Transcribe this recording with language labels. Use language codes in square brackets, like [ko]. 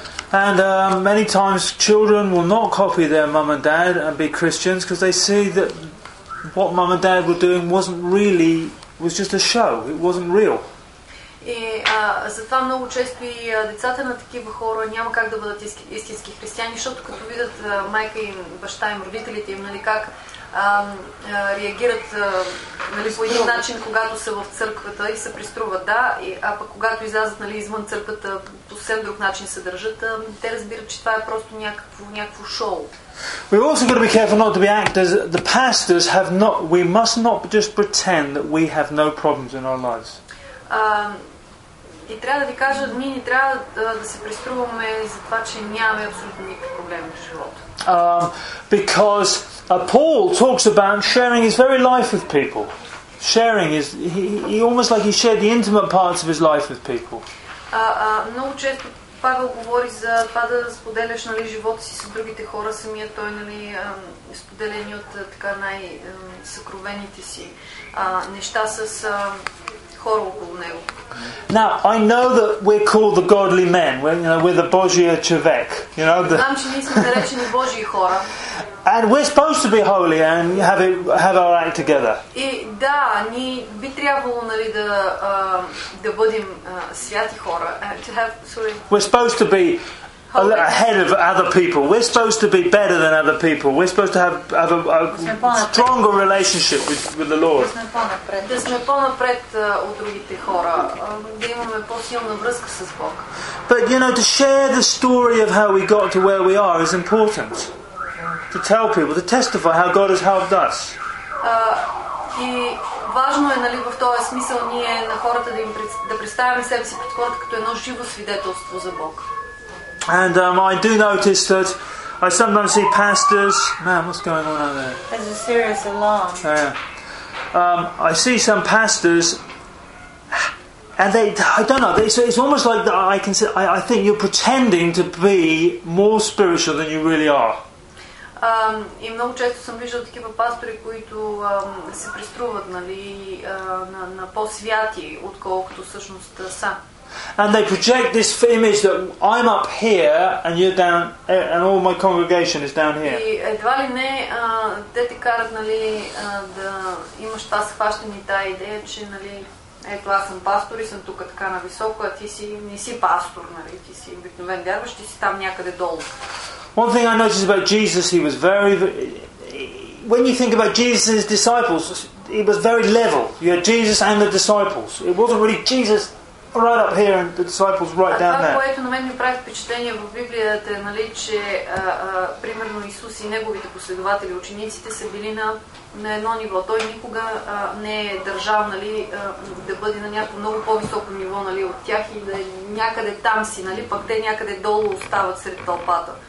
[en] And many times children will not copy their mum and dad and be Christians because they see that what mum and dad were doing wasn't really, was just a show, it wasn't real. [bg] И затова много често и децата на такива хора няма как да бъдат истински християни, защото като видят майка им, баща им, родителите им, нали, как реагират, нали, по един начин, когато са в църквата и се приструват, да, а пък когато излязат, нали, извън църквата, по съвсем друг начин се държат, те разбират, че това е просто някакво шоу. [en] We also got to be careful not to be actors. The pastors have not, we must not just pretend that we have no problems in our lives. [bg] И трябва да ви кажа, ние не трябва да се преструваме за това, че нямаме абсолютно никакви проблеми в живота. [en] Because Paul talks about sharing his very life with people. Sharing is he almost like he shared the intimate parts of his life with people. [bg] Много често Павел говори за това да споделяш, нали, живота си с другите хора, самия той, нали, споделени от така най-съкровените си неща с хора около него. [en] Now, I know that we're called the godly men. We're the [bg] Божия човек. [en] You know, [bg] знам, че ние сме наречени Божии хора. [en] And we're supposed to be holy and have our act together. [bg] И да, ние би трябвало, нали, да бъдем святи хора. [en] We're supposed to be holy. Ahead of other people. We're supposed to be better than other people. We're supposed to have a stronger relationship with the Lord. [bg] Да сме по-напред от другите хора. Да имаме по-силна връзка с Бог. [en] But, you know, to share the story of how we got to where we are is important. To tell people, to testify how God has helped us. [bg] И важно е, нали, в този смисъл ние на хората да им да представим себе си пред хората като едно живо свидетелство за Бог. [en] And I do notice that I sometimes see pastors. Man, what's going on out there? There's a serious alarm. I see some pastors, and they—I don't know. It's almost like that. I can say, I think you're pretending to be more spiritual than you really are. [bg] И много често съм виждал такива пастори, които се преструват, нали, на по-святи, отколкото всъщност са. [en] And they project this image that I'm up here and you're down and all my congregation is down here. [bg] И едва ли не те те карат, нали, да имаш това схващане, тая идея, че, нали, ето аз съм пастор и съм тук така на високо, а ти си не си пастор, нали, ти си обикновен вярваш, ти си там някъде долу. [en] One thing I noticed about Jesus, he was very, very, when you think about Jesus' disciples, he was very level. You had Jesus and the disciples. It wasn't really Jesus right up here and the disciples right down there. [bg] Това, което на мен ми прави впечатление в Библията, е, нали, че примерно Исус и неговите последователи, учениците, са били на едно ниво. Той никога не е държал, нали, да бъде на някакво много по-високо ниво, нали, от тях и да някъде там си, нали, пък те някъде долу остават сред тълпата.